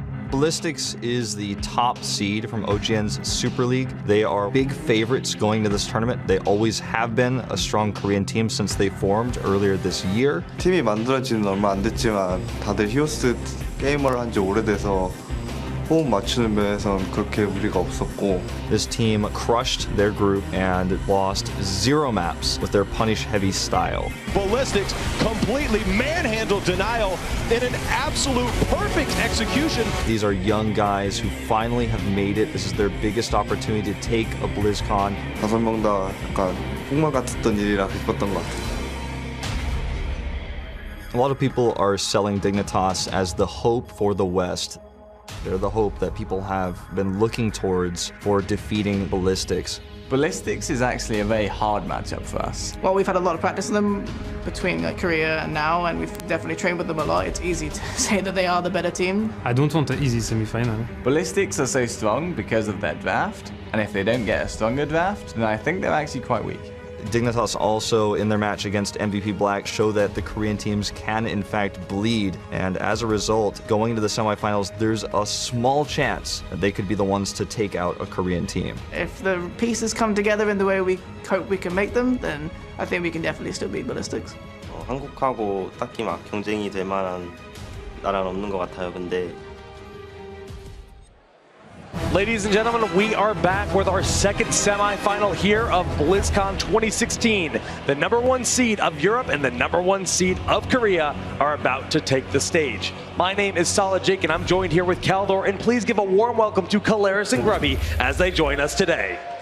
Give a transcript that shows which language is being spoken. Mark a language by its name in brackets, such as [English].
[English] Ballistix is the top seed from OGN's Super League. They are big favorites going to this tournament. They always have been a strong Korean team since they formed earlier this year. [Korean] 팀이 만들어진 얼마 안 됐지만 다들 히오스 게임을 한 지 오래돼서 호흡 맞추는 면에서는 그렇게 무리가 없었고. [English] This team crushed their group and lost zero maps with their punish heavy style. Ballistix completely manhandled denial in an absolute perfect execution. These are young guys who finally have made it. This is their biggest opportunity to take a BlizzCon. [Korean] 다섯 명 다 약간 꿈만 같았던 일이라 기뻤던 것 같아요. [English] A lot of people are selling Dignitas as the hope for the West. They're the hope that people have been looking towards for defeating Ballistix. Ballistix is actually a very hard matchup for us. Well, we've had a lot of practice with them between Korea and now, and we've definitely trained with them a lot. It's easy to say that they are the better team. I don't want an easy semi-final. Ballistix are so strong because of their draft, and if they don't get a stronger draft, then I think they're actually quite weak. Dignitas also, in their match against MVP Black, show that the Korean teams can, in fact, bleed. And as a result, going into the semifinals, there's a small chance that they could be the ones to take out a Korean team. If the pieces come together in the way we hope we can make them, then I think we can definitely still beat Ballistix. [Korean] 한국하고 딱히 막 경쟁이 될 만한 나라는 없는 것 같아요, 근데. [English] Ladies and gentlemen, we are back with our second semifinal here of BlizzCon 2016. The number one seed of Europe and the number one seed of Korea are about to take the stage. My name is Solid Jake, and I'm joined here with Kaldor, and please give a warm welcome to Kalaris and Grubby as they join us today.